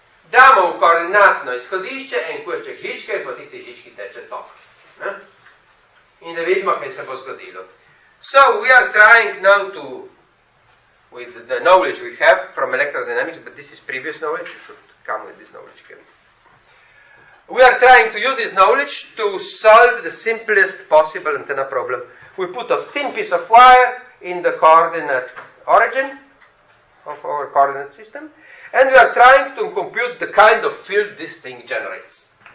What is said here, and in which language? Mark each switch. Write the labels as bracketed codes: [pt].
[sl] Damo v koordinatno izhodišče en kušček žičke in po tisti žički teče tok. In da vidimo, kaj se bo zgodilo. [en] So, we are trying now to, with the knowledge we have from electrodynamics, but this is previous knowledge, you should come with this knowledge. Can we are trying to use this knowledge to solve the simplest possible antenna problem. We put a thin piece of wire in the coordinate origin of our coordinate system, and we are trying to compute the kind of field this thing generates.